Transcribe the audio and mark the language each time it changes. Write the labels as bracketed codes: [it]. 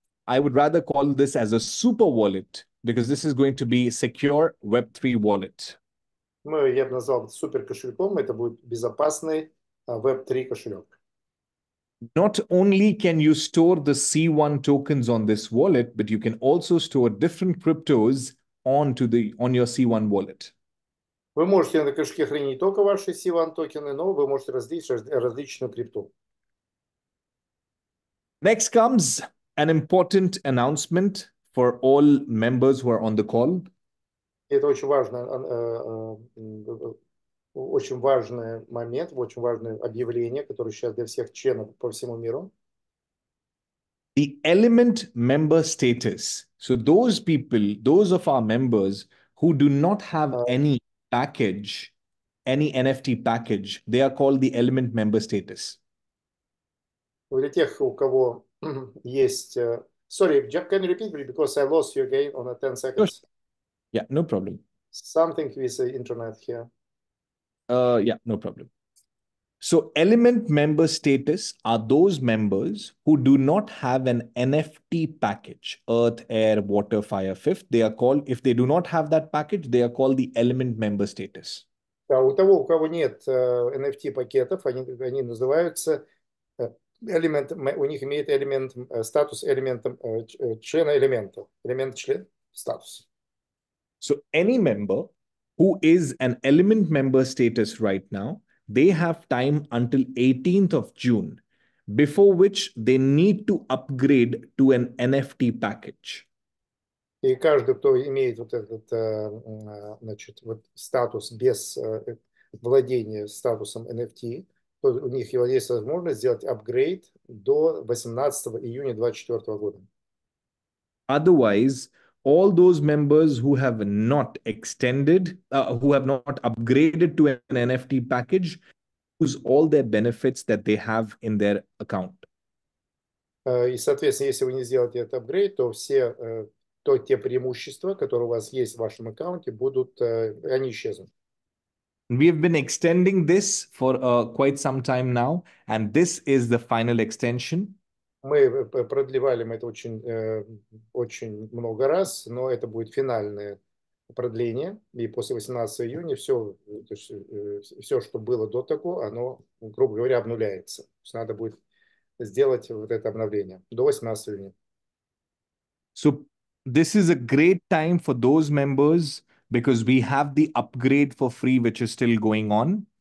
[en] I would rather call this as a super wallet because this is going to be a secure Web3 wallet. [ru] Ну, я бы назвал это супер кошельком. Это будет безопасный Web3 кошелек. [en] Not only can you store the C1 tokens on this wallet, but you can also store different cryptos on your C1 wallet. [ru] Вы можете на кошельке хранить только ваши C1 токены, но вы можете различную крипту. [en] Next comes an important announcement for all members who are on the call. [ru] Это очень важный момент, очень важное объявление, которое сейчас для всех членов по всему миру. [en] The element member status. So those people, those of our members who do not have any package, any NFT package, they are called the element member status. [ru] Для тех, у кого есть... [en] Sorry, can you repeat, because I lost you again on 10 seconds. Sure. Yeah, no problem. Something with the internet here. Yeah, no problem. So element member status are those members who do not have an NFT package. Earth, air, water, fire, fifth. They are called, if they do not have that package, they are called the element member status. [ru] Да, у того, у кого нет NFT пакетов, они называются element, у них имеет элемент статус элементом члена элемента. Элемент член статус. [en] So any member who is an element member status right now, they have time until 18th of June, before which they need to upgrade to an NFT package. [ru] И каждый, кто имеет вот этот значит, вот статус без владения статусом NFT, то у них есть возможность сделать апгрейд до 18 июня 2024 года. [en] Otherwise, all those members who have not extended, who have not upgraded to an NFT package, lose all their benefits that they have in their account. [ru] И, соответственно, если вы не сделаете этот апгрейд, то все то те преимущества, которые у вас есть в вашем аккаунте, будут они исчезнут. [en] We have been extending this for quite some time now, and this is the final extension. [ru] Мы продлевали это очень много раз, но это будет финальное продление, и после 18 июня все, что было до такого, оно, грубо говоря, обнуляется. То есть надо будет сделать вот это обновление до 18 июня. [en] So this is a great time for those members because we have the upgrade for free, which is still going on.